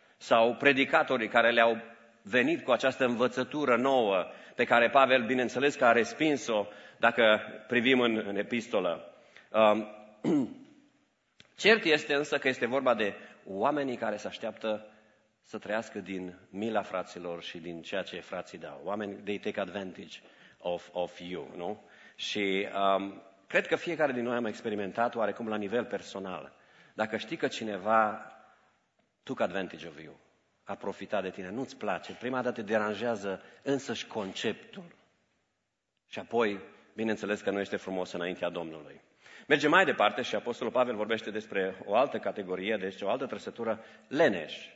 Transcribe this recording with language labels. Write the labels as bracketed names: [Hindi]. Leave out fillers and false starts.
[Romanian] Sau predicatorii care le-au venit cu această învățătură nouă, pe care Pavel, bineînțeles, că a respins-o, dacă privim în epistolă. Cert este, însă, că este vorba de oamenii care se așteaptă să trăiască din mila fraților și din ceea ce frații dau. Oameni, [English] they take advantage of you, nu? [Romanian] Și cred că fiecare din noi am experimentat oarecum la nivel personal. Dacă știi că cineva [English] took advantage of you, [Romanian] a profitat de tine, nu-ți place, prima dată te deranjează însăși conceptul. Și apoi bineînțeles că nu este frumos înaintea Domnului. Mergem mai departe și Apostolul Pavel vorbește despre o altă categorie, deci o altă trăsătură, leneș.